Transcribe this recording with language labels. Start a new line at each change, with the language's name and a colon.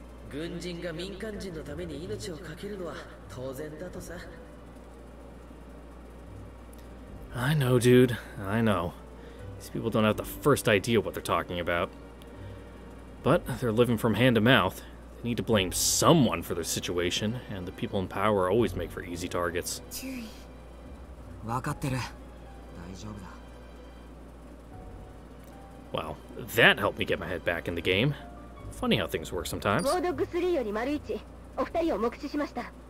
Japanese: 軍人が民間人のために命を懸けるのは当然だとさ。
English: I know, dude. I know. These people don't have the first idea what they're talking about. But they're living from hand to mouth. They need to blame someone for their situation, and the people in power always make for easy targets.
Japanese: 注意。わかってる。大丈夫だ。
English: Well, that helped me get my head back in the game. Funny how things work sometimes.
Japanese: ウォードグ3より丸一、お二人を目視しました。